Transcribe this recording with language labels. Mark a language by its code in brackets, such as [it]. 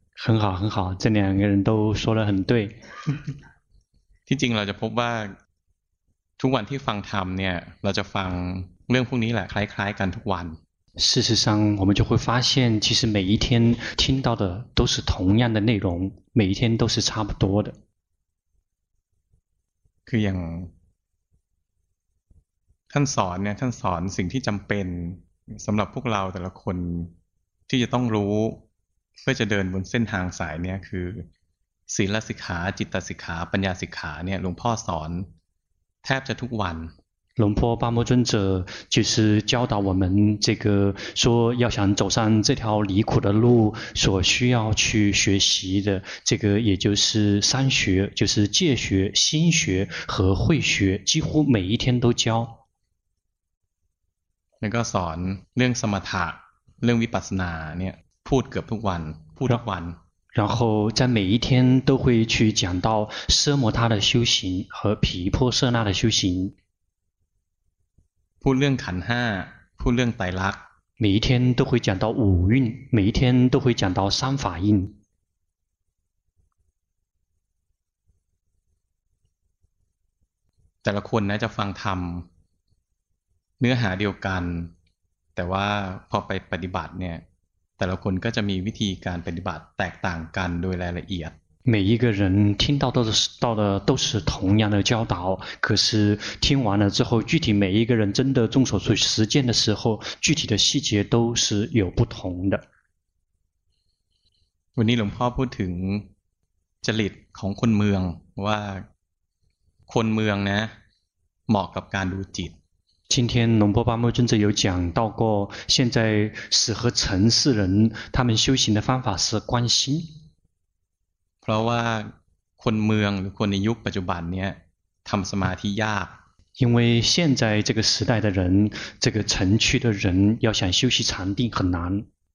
[zh] 很好很好这两个人都说得很对 [th] ที่จริงเราจะพบว่าทุกวันที่ฟังธรรมเนี่ยเราจะฟังเรื่องพวกนี้แหละคล้ายๆกันทุกวัน [zh] 事实上我们就会发现其实每一天听到的都是同样的内容每一天都是差不多的 [th] คืออย่างท่านสอนเนี่ยท่านสอนสิ่งที่จำเป็นสำหรับพวกเราแต่ละคนที่จะต้องรู้เพื่อจะเดินบนเส้นทางสายเนี่ยคือศีลสิกขาจิตสิกขาปัญญาสิกขาเนี่ยหลวงพ่อสอนแทบจะทุกวัน [zh] หลวงพ่อปาโมจุนเจอ其实教导我们这个说要想走上这条离苦的路所需要去学习的这个也就是三学就是戒学心学和慧学几乎每一天都教 [th] แล้วก็สอนเรื่องสมถะเรื่องวิปัสสนาเนี่ยพูดเกือบทุกวันพูดทุกวัน [zh] 然后在每一天都会去讲到奢摩他的修行和毗婆舍那的修行 [th] พูดเรื่องขันห้าพูดเรื่องไตรลักษณ์ [zh] 每一天都会讲到五蕴每一天都会讲到三法印 [th] แต่ละคนนะจะฟังธรรมเนื้อหาเดียวกันแต่ว่าพอไปปฏิบัติเนี่ยแต่ละคนก็จะมีวิธีการปฏิบัติแตกต่างกันโดยรายละเอียด [zh] 每一个人听到的都是同样的教导可是听完了之后具体每一个人真的动手去实践的时候具体的细节都是有不同的 [th] วันนี้หลวงพ่อพูดถึงจริตของคนเมืองว่าคนเมืองนะเหมาะกับการดูจิต [zh] 今天龙波巴木尊者有讲到过现在适合城市人他们修行的方法是观心 [th] เพราะว่าคนเมืองหรือคนในยุคปัจจุบันเนี่ยทำสมาธิยาก [zh] 因为现在这个时代的人这个城区的人要想休息禅定很难